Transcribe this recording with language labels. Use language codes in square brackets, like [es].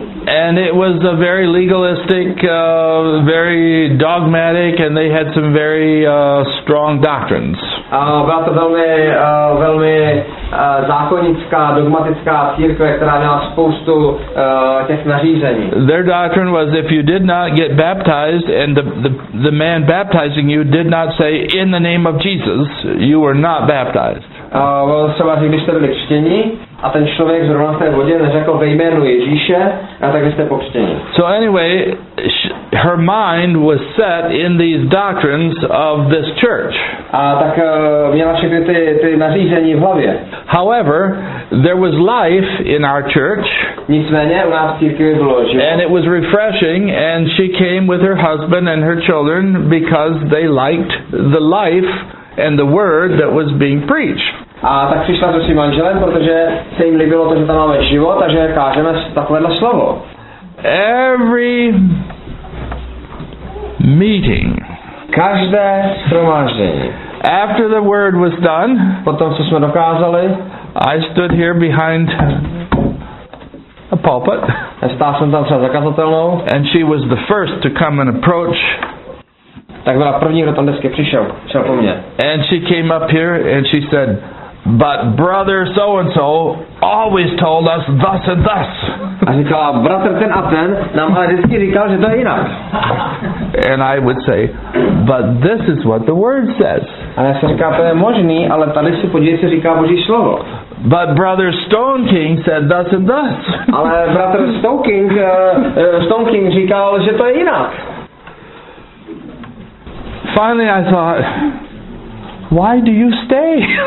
[en] And it was a very legalistic, very dogmatic, and they had some very strong doctrines. [cs] Byla to velmi zákonická, dogmatická církve, která měla spoustu těch nařízení. [en] Their doctrine was if you did not get baptized and the man baptizing you did not say in the name of Jesus, you were not baptized. [cs] Když jste byli křtěni a ten člověk zrovna v té vodě neřekl ve jménu Ježíše, a tak jste pokřtěni. [en] So anyway, her mind was set in these doctrines of this church. [cs] A tak měla všechny ty nařízení v hlavě. [en] However, there was life in our church. [cs] Nicméně, u nás církvi bylo život. [en] And it was refreshing, and she came with her husband and her children because they liked the life and the word that was being preached. [cs] A tak přišla se svým manželem, protože se jim líbilo to, že tam máme život a že kážeme takovéhle slovo. [en] Every meeting. [cs] každé shromáždění. [en] After the word was done, [cs] potom, co jsme dokázali, [en] I stood here behind a pulpit. [cs] A stál jsem tam před kazatelnou. [en] And she was the first to come and approach. [cs] Tak byla první, kdo tam dnesky přišel, šel po mně. [en] And she came up here and she said, "But brother so and so always told us thus and thus." [cs] A říkala, bratr ten a ten nám ale vždycky říkal, že to je jinak. [en] And I would say, "But this is what the word says." [cs] A já jsem říkal, to je možný, ale tady si podívej, co říká Boží slovo. [en] But brother Stone King said thus and thus. [cs] Ale bratr Stone King říkal, že to je jinak. [en] Finally I thought, "Why do you stay?"